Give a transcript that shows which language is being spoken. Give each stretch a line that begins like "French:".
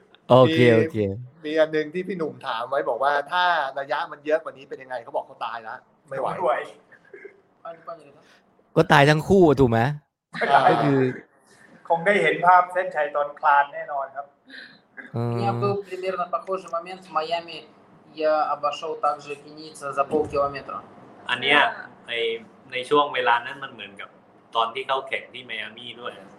Thai: โอเคโอเค มีอันนึงที่พี่หนุ่มถามไว้บอกว่าถ้าระยะมันเยอะกว่านี้เป็นยังไงเขาบอกเขาตายแล้วไม่ไหว ก็ตายทั้งคู่ถูกไหมก็คือ คงได้เห็นภาพเส้นชัยตอนคลานแน่นอนครับ เนี่ยเป็น
Russian: примерно похожий момент в Майами я обошел также Феникса за полкилометра
Thai: อันเนี้ยในช่วงเวลานั้นมันเหมือนกับตอนที่เขาแข่งที่ไมอามี่ด้วย